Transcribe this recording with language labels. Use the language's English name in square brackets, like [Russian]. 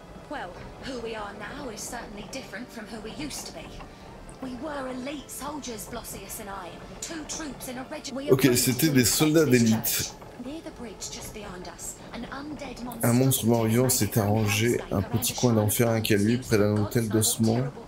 [English] Well, who we are now is certainly different from who we used to be. We were elite soldiers, Blossius and I. Two troops in a regiment. [French] Ok, c'était des soldats d'élite. [English] Near the bridge just behind us, an undead monster. [French] Un monstre mort-vivant s'est arrangé un petit coin d'enfer avec lui près d'un hôtel d'ossement.